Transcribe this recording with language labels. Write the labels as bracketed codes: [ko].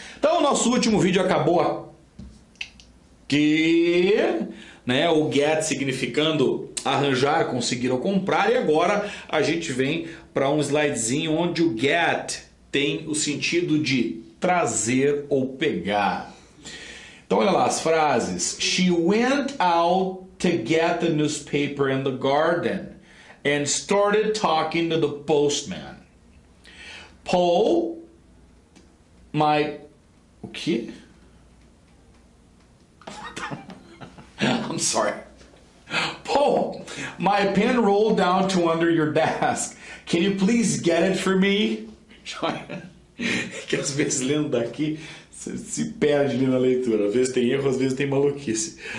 [pt] Então, o nosso último vídeo acabou aqui, né? O get significando arranjar, conseguir ou comprar. E agora a gente vem para um slidezinho onde o get tem o sentido de trazer ou pegar. Então, olha lá as frases. [en] She went out to get the newspaper in the garden and started talking to the postman. Paul, my... [pt] O quê? [en] I'm sorry. Paul, my pen rolled down to under your desk. Can you please get it for me? [pt] Que às vezes lendo daqui você se perde ali na leitura. Às vezes tem erro, às vezes tem maluquice.